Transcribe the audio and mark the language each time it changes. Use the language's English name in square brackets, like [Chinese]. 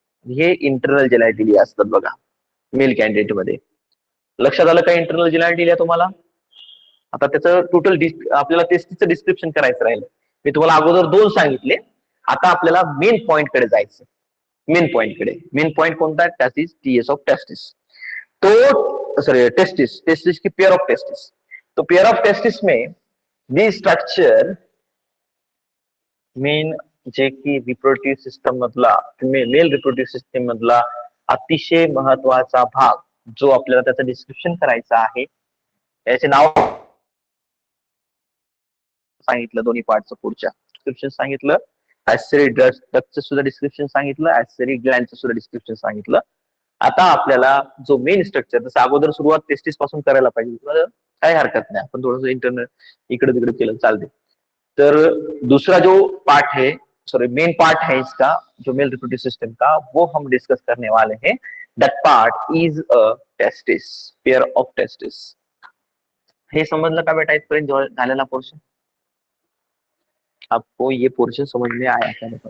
[Marathi] हे इंटरनल जिलाटिली असतात बघा मेल कॅन्डिडेट मध्ये. लक्षात आलं का इंटरनल जिलाटिली तुम्हाला? आता त्याचं टोटल आपल्याला टेस्टीचं डिस्क्रिप्शन करायचं राहील. मी तुम्हाला अगोदर दोन सांगितले, आता आपल्याला मेन पॉइंट कडे जायचं. मेन पॉइंट कडे, मेन पॉइंट कोणता? Testis, TS of testis. [English] तो sorry testis, testis की pair of testis. [Marathi] तो पेयर ऑफ टेस्टिस में दी स्ट्रक्चर मेन जे की रिप्रोड्यूटिव्ह सिस्टम मधला, मेल रिप्रोड्यूटिव्ह सिस्टम मधला अतिशय महत्वाचा भाग जो आपल्याला त्याचं डिस्क्रिप्शन करायचं आहे. याचे नाव सांगितलं दोन्ही पार्टचं, पुढच्या डिस्क्रिप्शन सांगितलं, ऍसरी डक्टचं सुद्धा डिस्क्रिप्शन सांगितलं, ऍसरी ग्लँडचं सुद्धा डिस्क्रिप्शन सांगितलं. आता आपल्याला जो मेन स्ट्रक्चर, जसं अगोदर सुरुवात टेस्टिस पासून करायला पाहिजे, काही हरकत नाही, आपण थोडस इंटरनल इकडे तिकडे केलं चालते. तर दुसरा जो पार्ट आहे, [Hindi] सॉरी मेन पार्ट आहे इसका, जो मेल रिप्रोड्यूटिव सिस्टम का, वो हम डिस्कस करने वाले हैं. [English] That part is a testis, pair of testis. [Marathi] हे समजलं का बेटा इथपर्यंत झालेला पोर्शन? [Hindi] आपको ये पोर्शन समझ में आया क्या?